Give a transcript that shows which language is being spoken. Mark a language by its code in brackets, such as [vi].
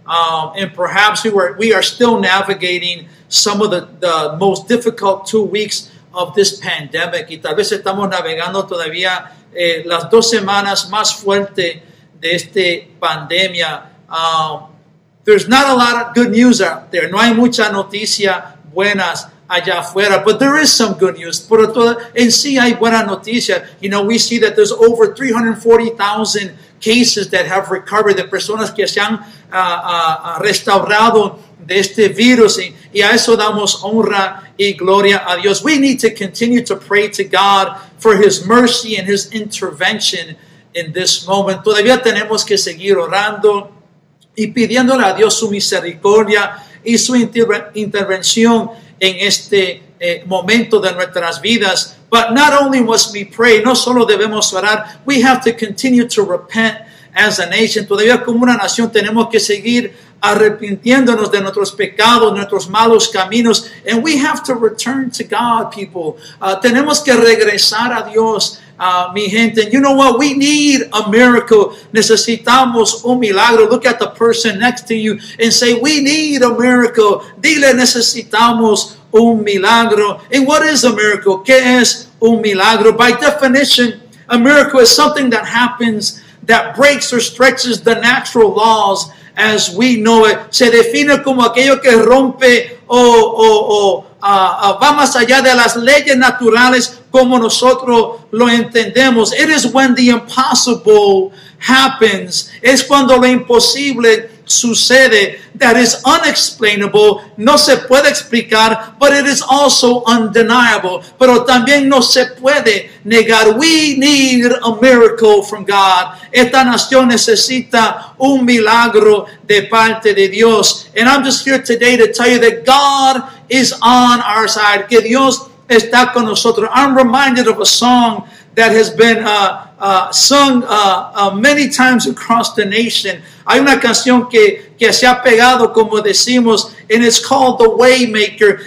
[en] And perhaps we are still navigating some of the most difficult 2 weeks of this pandemic. [es] Y tal vez estamos navegando todavía las dos semanas más fuerte de esta pandemia. [en] There's not a lot of good news out there. [es] No hay mucha noticia buenas allá afuera. [en] But there is some good news. [es] Pero en sí hay buena noticia. [en] You know, we see that there's over 340,000 cases that have recovered. [es] De personas que se han restaurado de este virus, y a eso damos honra y gloria a Dios. [en] We need to continue to pray to God for his mercy and his intervention in this moment. [es] Todavía tenemos que seguir orando y pidiéndole a Dios su misericordia y su intervención en este momento de nuestras vidas. [en] But not only must we pray, [es] no solo debemos orar, [en] we have to continue to repent as a nation. [es] Todavía como una nación tenemos que seguir arrepintiéndonos de nuestros pecados, nuestros malos caminos. [en] And we have to return to God, people. [es] Tenemos que regresar a Dios, mi gente. [en] And you know what? We need a miracle. [es] Necesitamos un milagro. [en] Look at the person next to you and say, we need a miracle. [es] Dile, necesitamos un milagro. [en] And what is a miracle? [es] ¿Qué es un milagro? [en] By definition, a miracle is something that happens that breaks or stretches the natural laws as we know it. [es] Se define como aquello que rompe va más allá de las leyes naturales como nosotros lo entendemos. [en] It is when the impossible happens. [es] Es cuando lo imposible sucede. [en] That is unexplainable. [es] No se puede explicar, [en] but it is also undeniable. [es] Pero también no se puede negar. [en] We need a miracle from God. [es] Esta nación necesita un milagro de parte de Dios. [en] And I'm just here today to tell you that God is on our side. [es] Que Dios está con nosotros. [en] I'm reminded of a song that has been sung many times across the nation. [es] Hay una canción que se ha pegado, como decimos, [en] and it's called The Waymaker.